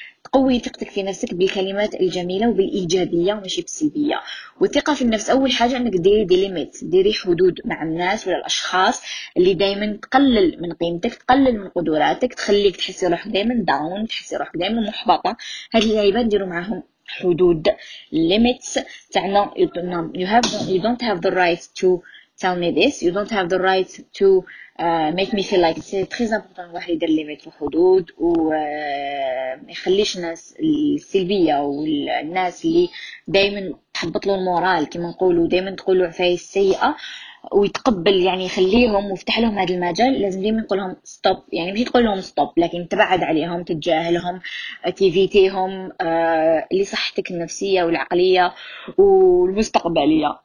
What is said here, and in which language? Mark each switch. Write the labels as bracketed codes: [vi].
[ar] تقوي ثقتك في نفسك بالكلمات الجميله وبالايجابيه ماشي بالسلبيه. والثقه في النفس اول حاجه انك ديري دي ليميت، ديري حدود مع الناس ولا الاشخاص اللي دائما تقلل من قيمتك، تقلل من قدراتك، تخليك تحسي روحك دائما داون، تحسي روحك دائما محبطه. هاد اللعيبه ديروا معاهم حدود limits. [en] تعنى you don't have the right to tell me this, you don't have the right to make me feel like. [fr] سي تري امبورطون [ar] واحد يدير ليميت وحدود وما يخليش الناس السلبيه والناس اللي دائما تحبط له المورال كيما نقولوا دائما تقول له عفايس سيئه ويتقبل، يعني يخليهم ويفتح لهم هذا المجال. لازم ديما نقول لهم ستوب، يعني ماشي تقول لهم ستوب لكن تبعد عليهم، تتجاهلهم، تيفيتيهم لصحتك النفسيه والعقليه والمستقبليه.